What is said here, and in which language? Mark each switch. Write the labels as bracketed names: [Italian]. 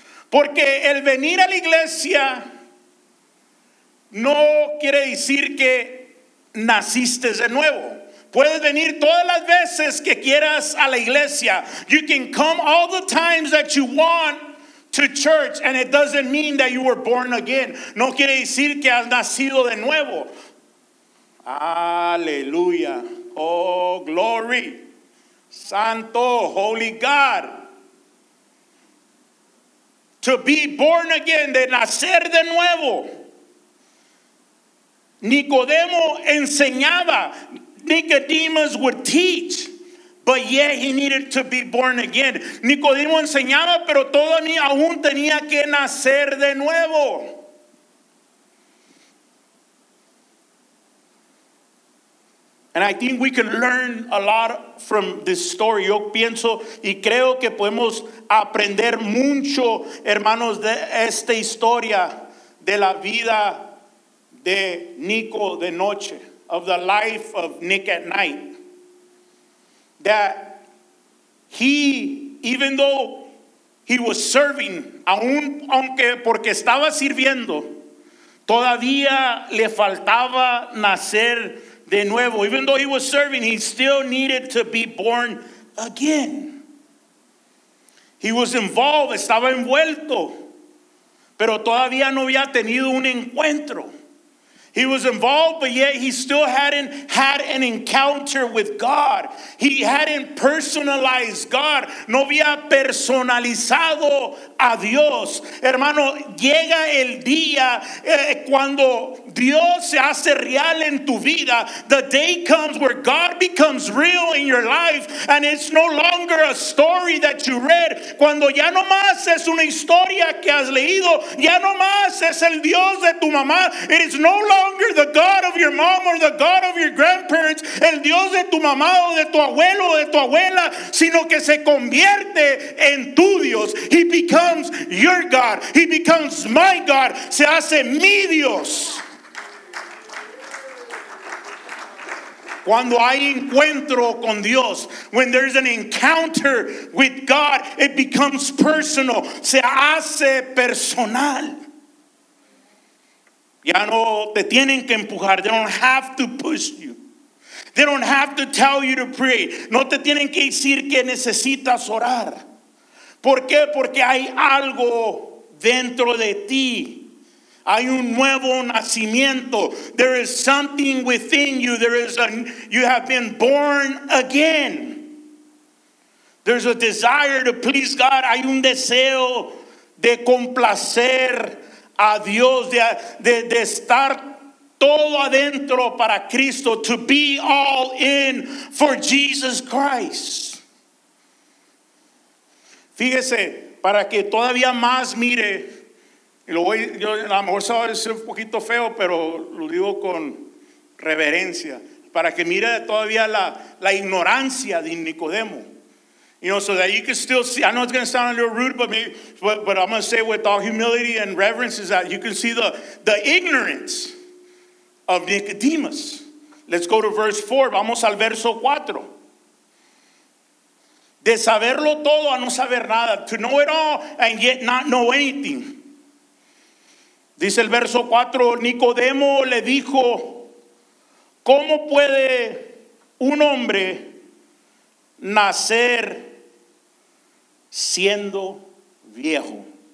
[Spanish] Porque el venir a la iglesia no quiere decir que naciste de nuevo. Puedes venir todas las veces que quieras a la iglesia. [English] You can come all the times that you want to church and it doesn't mean that you were born again. [Spanish] No quiere decir que has nacido de nuevo. [English] Aleluya. Oh, glory. Santo, holy God. To be born again, [Spanish] de nacer de nuevo. Nicodemo enseñaba, [English] Nicodemus would teach, but yet he needed to be born again. [Spanish] Nicodemo enseñaba, pero todavía aún tenía que nacer de nuevo. [English] And I think we can learn a lot from this story. [Spanish] Yo pienso y creo que podemos aprender mucho, hermanos, de esta historia de la vida de Nico de noche, [English] of the life of Nick at night. That he, even though he was serving, [Spanish] aun aunque porque estaba sirviendo, todavía le faltaba nacer de nuevo. [English] Even though he was serving, he still needed to be born again. He was involved, [Spanish] estaba envuelto, pero todavía no había tenido un encuentro. [English] He was involved, but yet he still hadn't had an encounter with God. He hadn't personalized God. [Spanish] No había personalizado a Dios. Hermano, llega el día cuando Dios se hace real en tu vida. [English] The day comes where God becomes real in your life, and it's no longer a story that you read. [Spanish] Cuando ya no más es una historia que has leído, ya no más es el Dios de tu mamá. [English] It is no longer the God of your mom or the God of your grandparents, [Spanish] el Dios de tu mamá o de tu abuelo o de tu abuela, sino que se convierte en tu Dios. [English] He becomes your God. He becomes my God. [Spanish] Se hace mi Dios. Cuando hay encuentro con Dios, [English] when there's an encounter with God, it becomes personal. [Spanish] Se hace personal. Ya no te tienen que empujar. [English] They don't have to push you. They don't have to tell you to pray. [Spanish] No te tienen que decir que necesitas orar. ¿Por qué? Porque hay algo dentro de ti. Hay un nuevo nacimiento. [English] There is something within you. You have been born again. There's a desire to please God. [Spanish] Hay un deseo de complacer a Dios, de estar todo adentro para Cristo, [English] to be all in for Jesus Christ. [Spanish] Fíjese, para que todavía más mire. Y lo voy, yo a lo mejor se va a decir un poquito feo, pero lo digo con reverencia. Para que mire todavía la ignorancia de Nicodemo. [English] You know, so that you can still see, I know it's going to sound a little rude, but I'm going to say with all humility and reverence is that you can see the ignorance of Nicodemus. Let's go to verse 4, [Spanish] vamos al verso 4. De saberlo todo a no saber nada, [English] to know it all and yet not know anything. [Spanish] Dice el verso 4, Nicodemo le dijo, ¿cómo puede un hombre nacer siendo viejo?